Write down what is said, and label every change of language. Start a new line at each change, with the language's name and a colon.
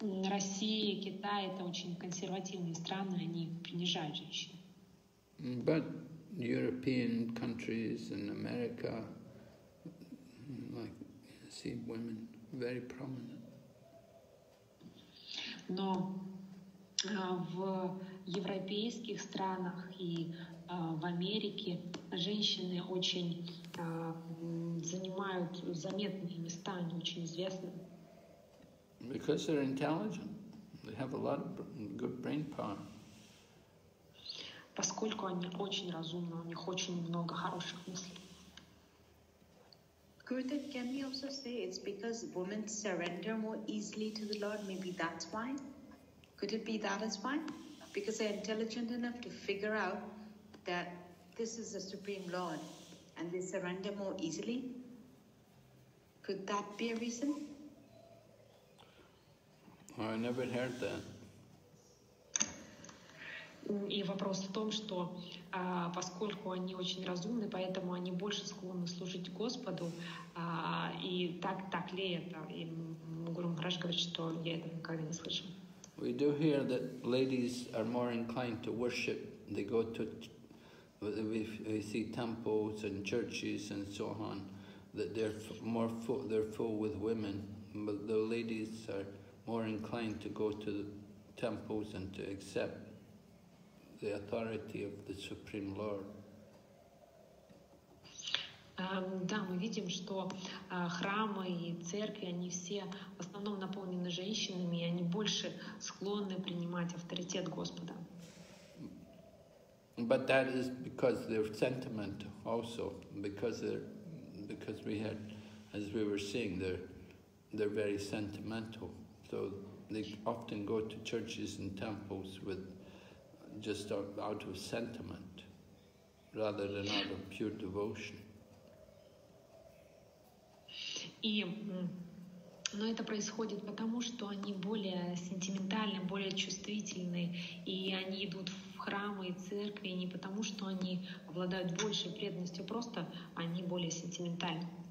Russian: Россия, Китай — это очень консервативные страны, они принижают женщин.
English: But European countries and America, see women very prominent.
Russian: Но в европейских странах и в Америке женщины очень занимают заметные места, они очень известны.
English: Because they're intelligent, they have a lot of good brain power.
Russian: Поскольку они очень разумны, у них очень много хороших мыслей.
English: Could it, can we also say it's because women surrender more easily to the Lord? Maybe that's why. Could it be that as why? Because they're intelligent enough to figure out that this is the Supreme Lord, and they surrender more easily. Could that be a reason? I never heard that.
Russian: И вопрос в том, что поскольку они очень разумны, поэтому они больше склонны служить Господу, и так ли это? И Гуру Махарадж говорит, что я этого никогда не слышал.
English: We do hear that ladies are more inclined to worship. They go to, we see temples and churches and so on, that they're full with women, but the ladies are more inclined to go to the temples and to accept the authority of the Supreme Lord.
Russian: Да, мы видим, что храмы и церкви, они все в основном наполнены женщинами, и они больше склонны принимать авторитет Господа.
English: But that is because their sentiment also, because we had, as we were seeing, they're very sentimental. So they often go to churches and temples with just out of sentiment rather than out of pure devotion.
Russian: Но это происходит потому, что они более сентиментальны, более чувствительны, и они идут в храмы и церкви не потому, что они обладают большей преданностью, просто они более сентиментальны.